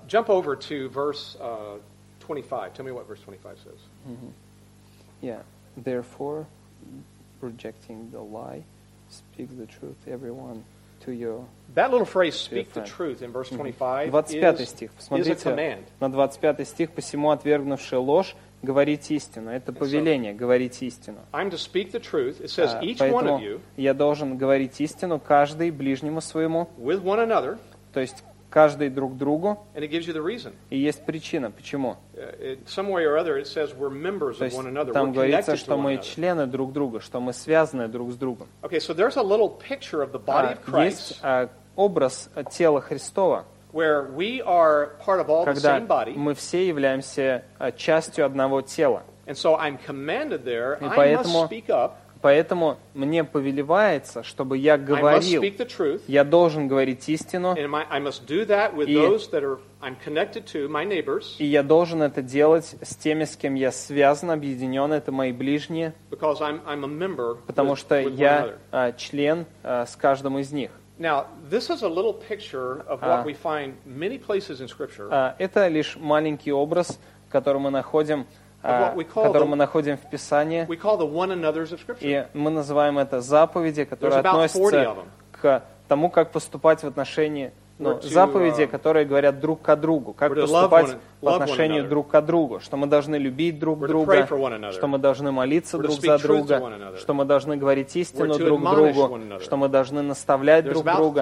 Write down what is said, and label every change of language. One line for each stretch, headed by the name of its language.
English: Jump over to verse 25. Tell me what verse 25 says. Mm-hmm. Yeah. Therefore, rejecting the lie, speak the truth, everyone, to your That little phrase, speak the truth, in verse 25, is a command.
Russian: На 25 стих, посему отвергнувшие ложь, говорить истину. Это повеление, говорить истину.
English: I'm to speak the truth. It says each one of you.
Russian: Я должен говорить истину каждый ближнему своему.
English: With one another.
Russian: То есть каждый друг другу.
English: And it gives you the reason.
Russian: И есть причина, почему.
English: Some way or other, it says we're members of one another.
Russian: То есть там говорится, что мы члены друг друга, что мы связаны друг с другом.
English: Okay, so there's a little picture of the body of Christ.
Russian: Есть образ тела Христова.
English: Where we are part of all the same body.
Russian: Когда мы все являемся частью одного тела.
English: And so I'm commanded there. I must speak up.
Russian: Поэтому мне повелевается, чтобы я говорил, я должен говорить истину, и я должен это делать с теми, с кем я связан, объединен, это мои ближние, потому что я член с каждым из них.
English: Now, this is a little picture of what we find many places in Scripture.
Russian: Это лишь маленький образ, который мы находим в Писании,
English: we call the one another's of Scripture.
Russian: И мы называем это заповеди, которые относятся к тому, как поступать в отношении ну, заповеди, которые говорят друг к другу, как поступать по отношению друг к другу, что мы должны любить друг друга, что мы должны молиться друг за друга, что мы должны говорить истину друг другу, что мы должны наставлять друг друга.